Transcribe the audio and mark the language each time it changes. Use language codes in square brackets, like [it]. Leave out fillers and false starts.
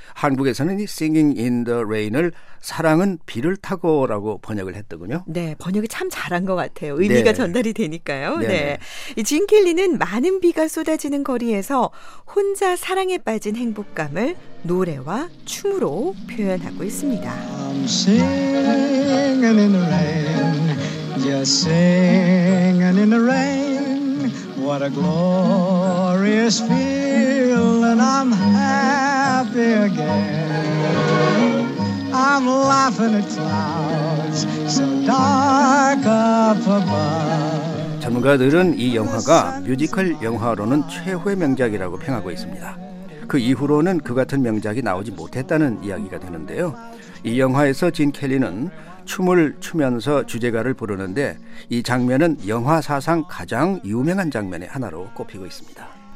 [ko] 한국에서는 이 Singing in the Rain을 사랑은 비를 타고라고 번역을 했더군요. 네, 번역이 참 잘한 것 같아요. 의미가 네. 전달이 되니까요. 네. 진 켈리는 많은 비가 쏟아지는 거리에서 혼자 사랑에 빠진 행복감을 노래와 춤으로 표현하고 있습니다. [en] I'm singing in the rain. Just singing in the rain. What a glorious feel and I'm happy again. I'm laughing at clouds so dark up above. [ko] 전문가들은 이 영화가 뮤지컬 영화로는 최후의 명작이라고 평하고 있습니다. 그 이후로는 그 같은 명작이 나오지 못했다는 이야기가 되는데요. 이 영화에서 진 켈리는 춤을 추면서 주제가를 부르는데 이 장면은 영화 사상 가장 유명한 장면의 하나로 꼽히고 있습니다.